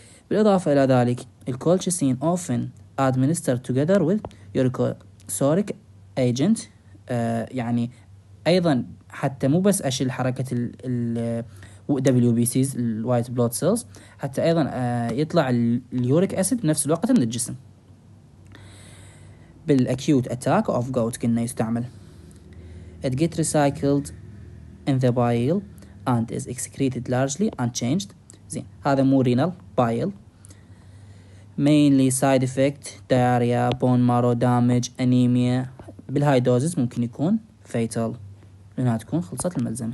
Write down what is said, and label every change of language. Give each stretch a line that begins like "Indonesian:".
Arabic: بالإضافة إلى ذلك الكولتشيسين
English: often administered together with uricosuric agent،
Arabic: يعني أيضا حتى مو بس أشيل حركة ال WBCs white blood cells، حتى أيضا يطلع اليوريك أسيد بنفس الوقت من الجسم بالأكيوت أتاك أوف جوت.
English: كنا يستعمل it get recycled in the bile and is excreted largely unchanged.
Arabic: زين هذا مو رينال،
English: bile mainly side effect diarrhea bone marrow damage anemia،
Arabic: بالهاي دوزز ممكن يكون فيتال، لأنها تكون خلصت الملزمة.